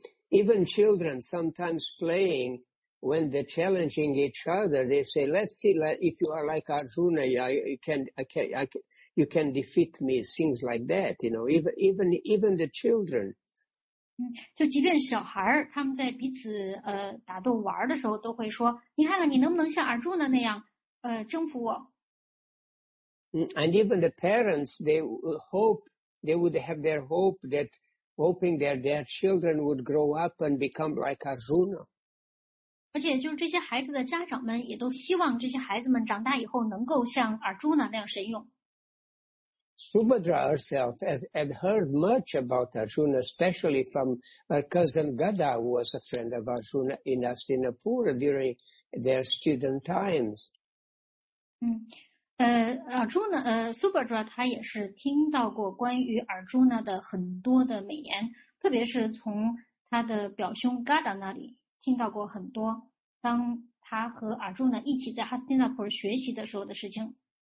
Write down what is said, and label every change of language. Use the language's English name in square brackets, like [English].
[English] Even children sometimes playing, when they're challenging each other, they say, let's see, if you are like Arjuna, you can defeat me, things like that, you know, even the children. [Chinese] 就即便小孩他们在彼此打斗玩的时候都会说，你看看你能不能像Arjuna那样征服我。 [English] And even the parents, they hope, they would have their hope that hoping that their children would grow up and become like Arjuna. [Chinese] 而且就是这些孩子的家长们也都希望这些孩子们长大以后能够像Arjuna那样神勇。 [English] Subhadra herself had heard much about Arjuna, especially from her cousin Gada, who was a friend of Arjuna in Hastinapura during their student times. [Chinese] Subhadra, 他也是听到过关于 Arjuna 的很多的美言，特别是从他的表兄 Gada 那里听到过很多，当他和 Arjuna 一起在 Hastinapura 学习的时候的事情。